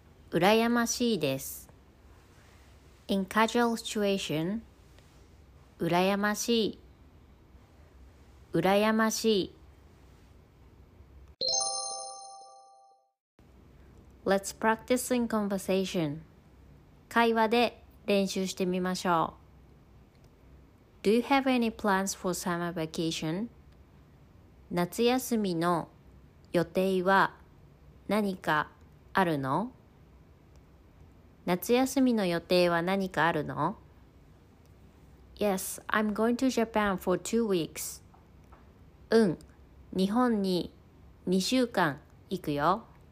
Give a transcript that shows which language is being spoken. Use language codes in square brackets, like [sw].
[ja] 羨ましいです。 [en] In casual situation, [ja] 羨ましい。羨ましい。 [en] Let's practice in conversation. [ja] 会話で練習してみましょう。 [en] Do you have any plans for summer vacation? [ja] 夏休みの予定は何かあるの? 夏休みの予定は何かあるの? [en] Yes, I'm going to Japan for 2 weeks. [ja] うん、日本に2週間行くよ。